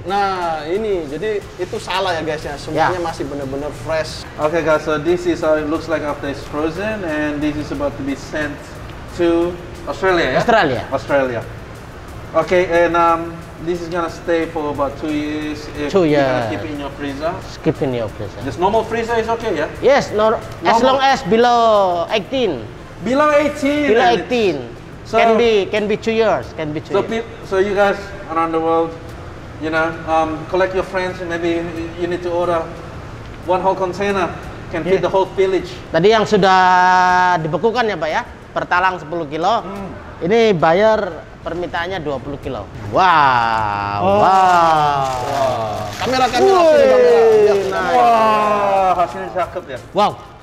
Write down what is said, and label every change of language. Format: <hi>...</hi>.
<id>Nah ini jadi itu salah ya guys ya, semuanya yeah. masih benar-benar fresh.</id> <en>Okay guys, so this is how it looks like after it's frozen and this is about to be sent to Australia. Australia. Yeah? Australia. Okay and this is gonna stay for about 2 years. If 2 years. You're gonna keep it in your freezer. Keep in your freezer. Just normal freezer is okay, yeah. Yes, nor normal. As long as below 18. Below 18. Below 18. So, can be 2 years. Can be 2 years. So you guys around the world, you know, collect your friends, maybe you need to order one whole container can feed the whole village.</en> <id>Tadi yang sudah dibekukan ya Pak ya, per talang 10 kilo, ini buyer permintaannya 20 kilo. Wow, wow. Kamera, kamera, kamera. Nice. Wow, hasilnya cakep ya. Wow,</id>